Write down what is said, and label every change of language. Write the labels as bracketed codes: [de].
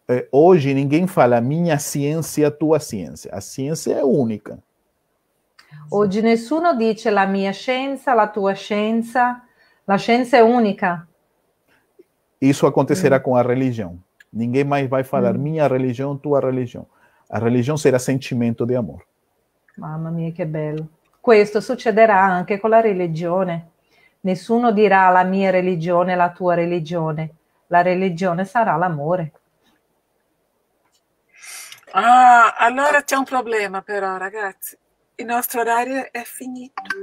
[pt] Hoje ninguém fala minha ciência, tua ciência. A ciência é única. [it] Oggi nessuno dice la mia scienza, la tua scienza, la scienza è unica. [pt] Isso acontecerá com a religião. Ninguém mais vai falar minha religião, tua religião. A religião será sentimento de amor. [it] Mamma mia, che bello. Questo succederà anche con la religione. Nessuno dirà la mia religione, la tua religione. La religione sarà l'amore. Ah, allora c'è un problema però, ragazzi. Il nostro orario è finito.